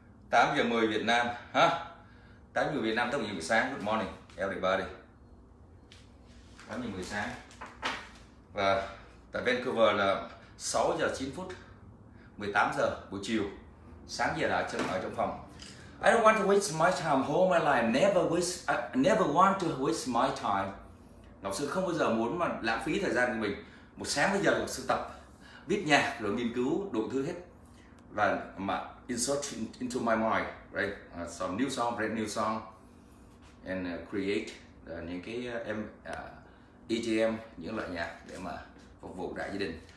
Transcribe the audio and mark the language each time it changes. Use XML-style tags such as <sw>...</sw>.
<vi>8 giờ 10 Việt Nam ha. 8 giờ Việt Nam tức là buổi sáng,</vi> <en>good morning everybody.</en> <vi>8 giờ 10 sáng. Và tại Vancouver là 6 giờ 9 phút 18 giờ buổi chiều. Sáng giờ đã ở trong phòng.</vi> <en>I don't want to waste my time home my life. I never want to waste my time.</en> <vi>Ngọc Sư không bao giờ muốn mà lãng phí thời gian của mình. Một sáng bây giờ Ngọc Sư tập viết nhạc rồi nghiên cứu đủ thứ hết. Và mà</vi> <en>insert into my mind, right? Some new song, brand new song, and create</en> <vi>những cái EDM, những loại nhạc để mà phục vụ đại gia đình.</vi>